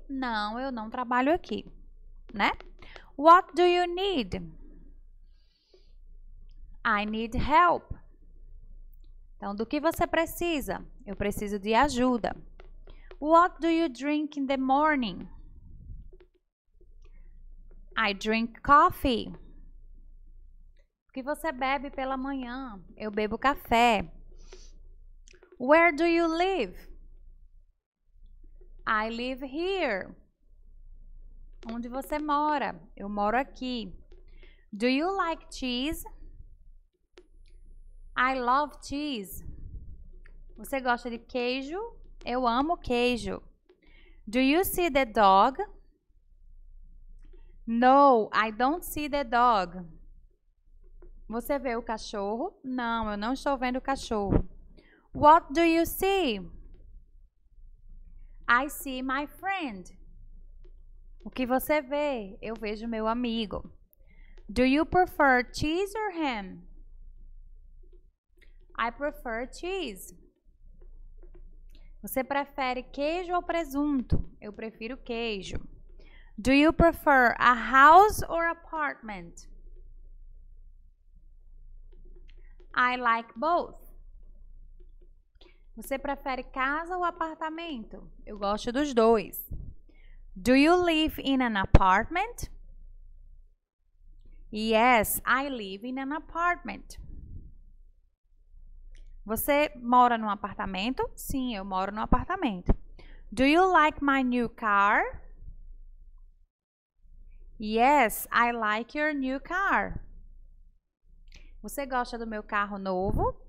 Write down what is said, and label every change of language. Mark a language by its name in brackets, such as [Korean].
[Portuguese] Não, eu não trabalho aqui, né? [English] What do you need? I need help. [Portuguese] Então, do que você precisa? Eu preciso de ajuda. [English] What do you drink in the morning? I drink coffee. [Portuguese] O que você bebe pela manhã? Eu bebo café. [English] Where do you live? I live here. [Portuguese] Onde você mora? Eu moro aqui. [English] Do you like cheese? I love cheese. [Portuguese] Você gosta de queijo? Eu amo queijo. [English] Do you see the dog? No, I don't see the dog. [Portuguese] Você vê o cachorro? Não, eu não estou vendo o cachorro. [English] What do you see? I see my friend. [Portuguese] O que você vê? Eu vejo meu amigo. [English] Do you prefer cheese or ham? I prefer cheese. [Portuguese] Você prefere queijo ou presunto? Eu prefiro queijo. [English] Do you prefer a house or apartment? I like both. [Portuguese] Você prefere casa ou apartamento? Eu gosto dos dois. [English] Do you live in an apartment? Yes, I live in an apartment. [Portuguese] Você mora num apartamento? Sim, eu moro num apartamento. [English] Do you like my new car? Yes, I like your new car. [Portuguese] Você gosta do meu carro novo?